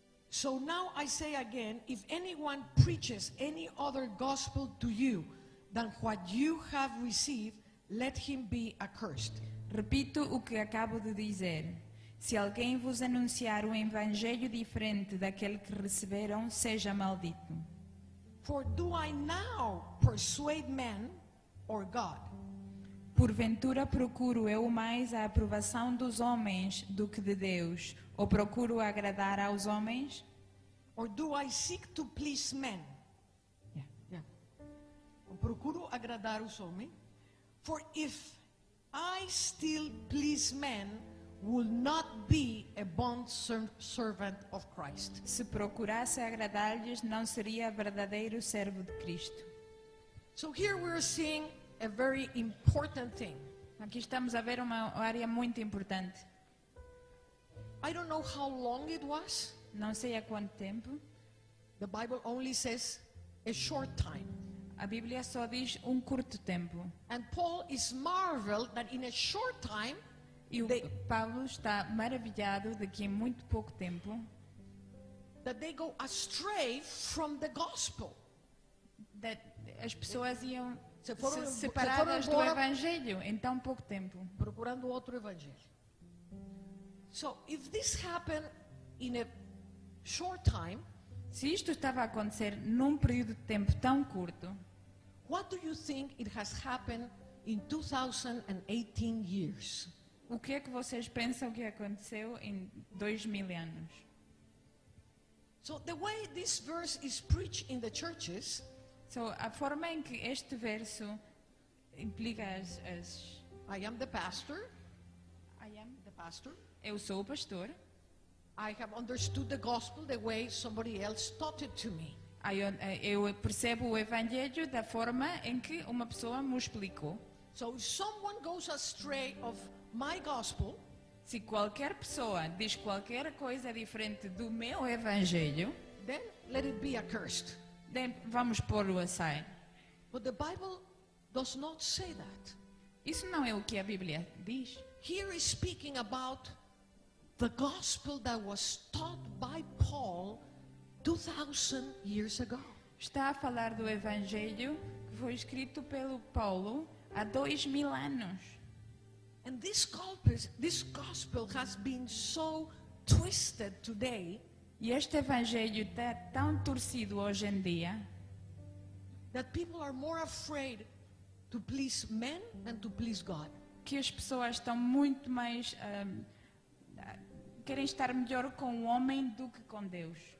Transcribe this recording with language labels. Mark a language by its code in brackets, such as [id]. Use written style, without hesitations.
[en] So now I say again, if anyone preaches any other gospel to you than what you have received, let him be accursed. [pt] Repito o que acabo de dizer. Se alguém vos anunciar evangelho diferente daquele que receberam, seja maldito. [en] For do I now persuade men or God? [pt] Porventura procuro eu mais a aprovação dos homens do que de Deus? Ou procuro agradar aos homens? [en] Or do I seek to please men? Yeah, yeah. [pt] Ou procuro agradar os homens? [en] For if I still please men, will not be a bond servant of Christ. [pt] Se procurasse agradar-lhes, não seria verdadeiro servo de Cristo. [en] So here we're seeing a very important thing. [pt] Aqui estamos a ver uma área muito importante. [en] I don't know how long it was. [pt] Não sei há quanto tempo. [en] The Bible only says a short time. [pt] A Bíblia só diz curto tempo. [en] And Paul is marveled that in a short time. [pt] E o Paulo está maravilhado de que em muito pouco tempo [en] that they go astray from the gospel. That [pt] as pessoas iam separadas do evangelho em tão pouco tempo, procurando outro evangelho. [en] So if this happened in a short time, [pt] se isto estava a acontecer num período de tempo tão curto, [en] what do you think it has happened in 2018 years? [pt] O que é que vocês pensam que aconteceu em 2000 anos? [en] So the way this verse is preached in the churches, [pt] so a forma em que este verso implica as [en] I am the pastor. I am the pastor. [pt] Eu sou o pastor. [en] I have understood the gospel the way somebody else taught it to me. [pt] Eu percebo o evangelho da forma em que uma pessoa me explicou. [en] So if someone goes astray of my gospel, [pt] se qualquer pessoa diz qualquer coisa diferente do meu evangelho, [en] then let it be accursed. Then [pt] vamos pô-lo [en] aside. But the Bible does not say that. [pt] Isso não é o que a Bíblia diz. [en] Here is speaking about the gospel that was taught by Paul 2000 years ago. [pt] Está a falar do evangelho que foi escrito pelo Paulo há 2000 anos. [en] And this gospel has been so twisted today. [pt] E este evangelho está tão torcido hoje em dia. [en] That people are more afraid to please men than to please God. [pt] Que as pessoas estão muito mais querem estar melhor com o homem do que com Deus.